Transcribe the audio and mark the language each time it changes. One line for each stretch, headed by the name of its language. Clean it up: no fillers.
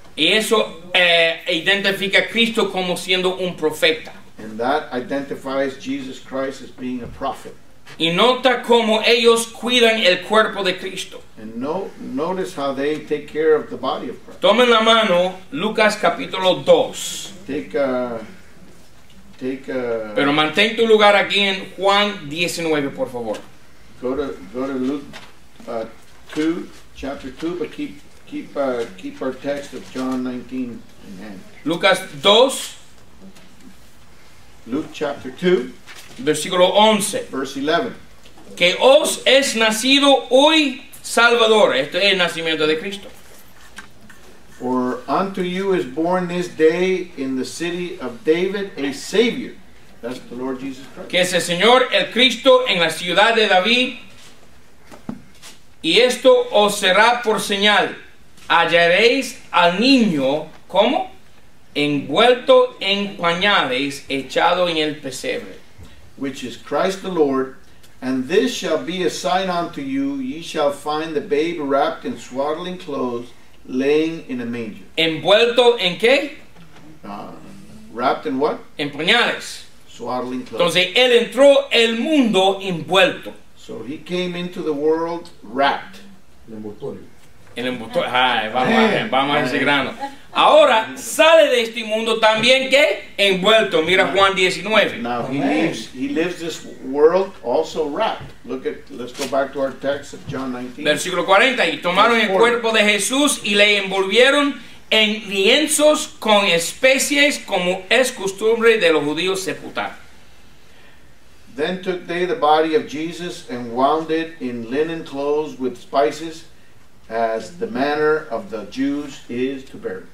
Spanish: Y eso identifica a Cristo como siendo un profeta.
English: And that identifies Jesus Christ as being a prophet.
Spanish: Y nota cómo ellos cuidan el cuerpo de Cristo.
English: And notice how they take care of the body of Christ.
Spanish: Tomen la mano, Lucas capítulo 2. Pero mantén tu lugar aquí en Juan 19, por favor.
English: Go to Luke 2, chapter 2, but keep our text of John 19 in hand.
Spanish: Lucas 2.
English: Luke chapter 2.
Spanish: Versículo 11.
English: Verse 11.
Spanish: Que os es nacido hoy Salvador. Esto es el nacimiento de Cristo.
English: For unto you is born this day in the city of David a Savior. That's the Lord Jesus Christ.
Spanish: Que es el Señor, el Cristo, en la ciudad de David. Y esto os será por señal. Hallaréis al niño, ¿cómo? Envuelto en pañales, echado en el pesebre.
English: Which is Christ the Lord. And this shall be a sign unto you. Ye shall find the babe wrapped in swaddling clothes, laying in a manger.
Spanish: ¿Envuelto en qué?
English: Wrapped in what?
Spanish: En pañales.
English: Swaddling clothes.
Spanish: Entonces, él entró el mundo envuelto.
English: So he came into the world wrapped.
Spanish: En envoltorio. Vamos a ese grano. Ahora, sale de este mundo también, ¿qué? Envuelto. Mira Juan 19.
English: Now, he lives this world also wrapped. Let's go back to our text of John 19.
Spanish: Versículo 40. Y tomaron el cuerpo de Jesús y le envolvieron en lienzos con especies, como es costumbre de los judíos sepultar.
English: Then took they the body of Jesus and wound it in linen clothes with spices, as the manner of the Jews is to bury.